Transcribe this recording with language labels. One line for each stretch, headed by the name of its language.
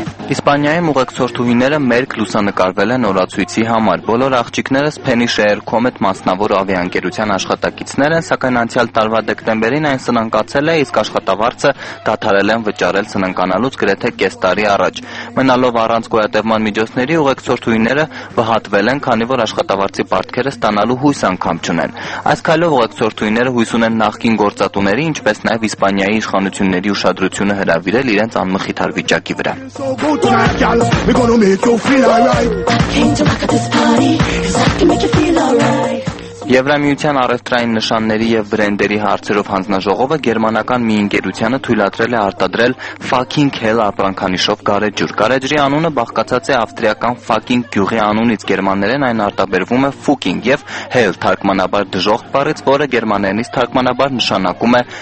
Armenian: Իսպանիայում ուղեկցորդուհիները մերկ լուսանկարվել են օրացույցի համար։ Բոլոր աղջիկները Spanish Air Comet մասնավոր ավիաընկերության աշխատակիցներ են, սակայն անցյալ տարվա դեկտեմբերին այն սնանկացել է, իսկ աշխատավարձը դադարել են վճարել սնանկանալուց գրեթե կես տարի առաջ։ Մնալով առանց գոյատևման միջոցների, ուղեկցորդուհիները վհատվել են, քանի որ աշխատավարձի պարտքերը ստանալու հույս անգամ չունեն։ Այս քայլով ուղեկցորդուհիները հույս ունեն նախկին գործատուների, ինչպես նաև Իսպանիայի իշխանությունների ուշադրությունը հրավիրել իրենց անմխիթար վիճակի վրա։
English: Go tonight, girl, we're gonna make you feel alright. Came to rock at this party, 'cause I can make you feel alright.
Armenian: Եվրամիության առևտրային նշանների և բրենդերի հարցերով հանձնաժողովը գերմանական մի ընկերությանը թույլատրել է արտադրել Fucking Hell ապրանքանիշով գարեջուր։ Գարեջրի անունը բաղկացած է ավստրիական Fucking գյուղի անունից, գերմաներեն այն արտաբերվում է Fucking և Hell թարգմանաբար դժոխք բառից, որը գերմաներենից թարգմանաբար նշանակում է